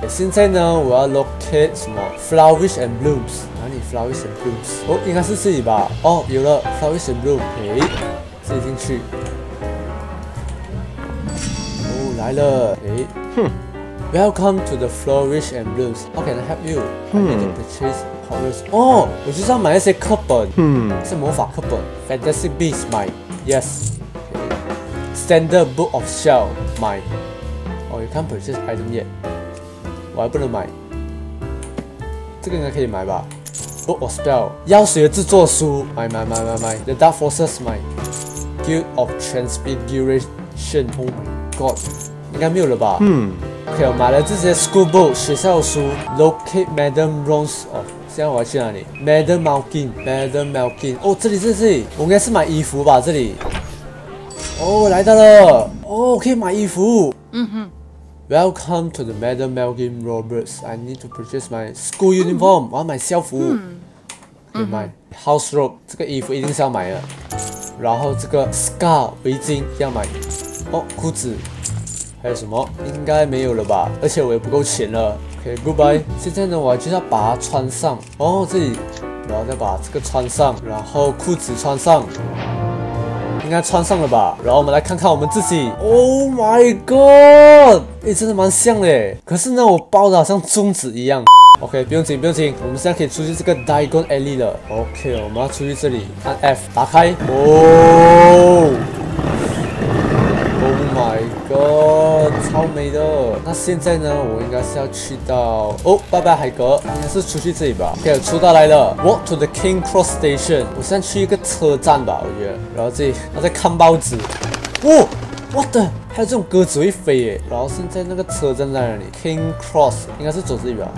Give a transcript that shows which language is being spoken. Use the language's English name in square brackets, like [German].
[Chinese] 现在呢，我要 locate 什么 flowers and blooms？哪里 flowers and blooms？哦，应该是这里吧？哦，有了 flowers and blooms， 哎，自己进去。哦，来了，哎，哼 [English] ，Welcome to the flowers and blooms. How can I help you？ I need to purchase flowers. [Chinese] 哦，我就是要买那些课本，是魔法课本 ，Fantastic Beasts， 买 ，Yes， Standard Book of Shell， 买。 [English] Oh, you can't purchase item yet. [Chinese] 我还不能买。这个应该可以买吧 ？Book of Spell， 妖水的制作书，买买买买买。The Dark Forces， 买。 Guild of Transfiguration， Oh my God， 应该没有了吧？嗯。 OK， 我买了这些 [English] school book， [Chinese] 学校书。Locate Madam Rose of， 现在我要去哪里 ？Madam Malkin， Madam Malkin， 哦，这里这里，我应该是买衣服吧？这里。哦，来到了。哦，可以买衣服。嗯哼 [English] ，Welcome to the Madam Melvin Roberts. I need to purchase my school uniform.、 [Chinese] 我要买校服。可以买 house robe 这个衣服一定是要买的。然后这个 scarf 围巾要买。哦，裤子还有什么？应该没有了吧？而且我也不够钱了。 [English] OK， goodbye、 [Chinese] 现在呢，我就要把它穿上。哦，这里，然后再把这个穿上，然后裤子穿上。应该穿上了吧，然后我们来看看我们自己。 [English] Oh my god， [Chinese] 哎，真的蛮像的，可是呢，我包的好像粽子一样。 OK， 不用紧，不用紧，我们现在可以出去这个 Diagon Alley 了。OK， 我们要出去这里，按 F 打开。 [English] Oh my god， 超美的。 [Chinese] 那现在呢，我应该是要去到哦，拜拜海格，应该是出去这里吧。OK， 出到来了。 Walk to the King Cross Station， 我现在去一个车站吧，我觉得。然后这里他在看报纸。哦 ， [English] What the？ [Chinese] 还有这种鸽子会飞耶。然后现在那个车站在哪里 ？King Cross， 应该是走这里吧。